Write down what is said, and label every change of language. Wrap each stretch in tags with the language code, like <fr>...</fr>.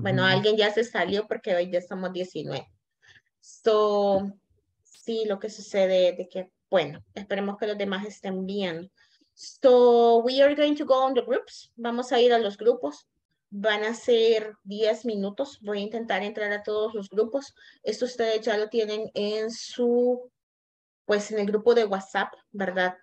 <es>Bueno, alguien ya se salió porque hoy ya somos 19. So, sí, lo que sucede es de que, bueno, esperemos que los demás estén bien.</es> <en>So, we are going to go on the groups.</en> <es>Vamos a ir a los grupos. Van a ser 10 minutos. Voy a intentar entrar a todos los grupos. Esto ustedes ya lo tienen en su, pues, en el grupo de WhatsApp, ¿verdad?</es>